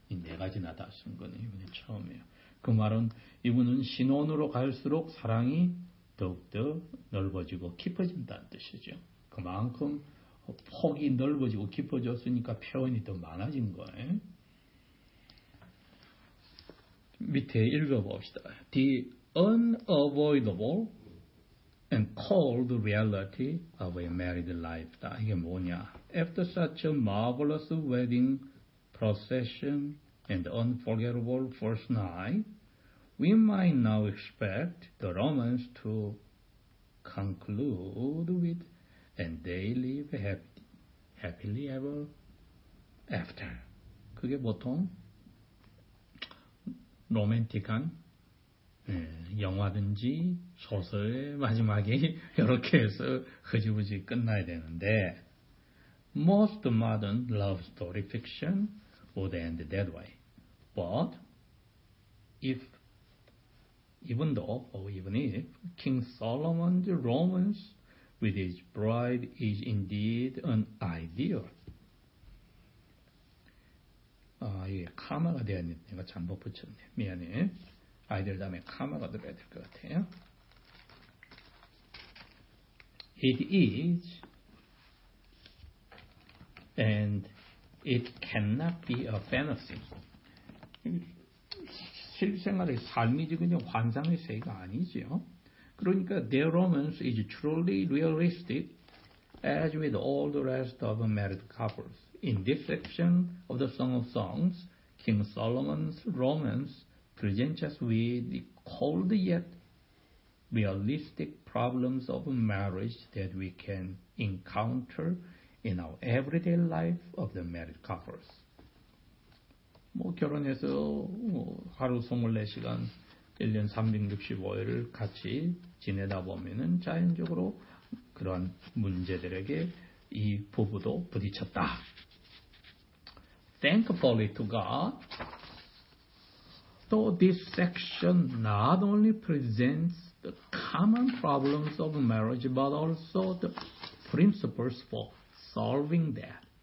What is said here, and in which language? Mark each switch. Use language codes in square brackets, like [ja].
[ko] 이 네 가지나 다 쓴 건 이분이 처음이에요. 그 말은 이분은 신혼으로 갈수록 사랑이 더욱더 넓어지고 깊어진다는 뜻이죠. 그만큼 폭이 넓어지고 깊어졌으니까 표현이 더 많아진 거예요. 밑에 읽어봅시다. [en] The unavoidable and cold reality of a married life. [ko] 이게 뭐냐? [en] After such a marvelous wedding procession and unforgettable first night, we might now expect the romance to conclude with and they live happily ever after. [ko] 그게 보통 로맨틱한 영화든지 소설의 마지막이 이렇게 해서 흐지부지 끝나야 되는데 [en] most modern love story fiction would end that way. But if [ko] 이분도 이분이 [en] King Solomon the Romans with his bride is indeed an ideal. [ko] 아, 이게 카마가 되었는데 내가 잘못 붙였네. 미안해. 아이들 다음에 카마가 들어야 될 것 같아요. [en] It is and it cannot be a fantasy. [ko] 실생활의 삶이지 그냥 환상의 세계가 아니지요. 그러니까 [en] their romance is truly realistic as with all the rest of married couples. In this section of the Song of Songs, King Solomon's romance presents us with the cold yet realistic problems of marriage that we can encounter in our everyday life of the married couples. [ko] 뭐 결혼해서 하루 24시간, 1년 365일을 같이 지내다 보면은 자연적으로 그러한 문제들에게 이 부부도 부딪혔다. [en] Thankfully to God, though this section not only presents the common problems of marriage, but also the principles for solving that.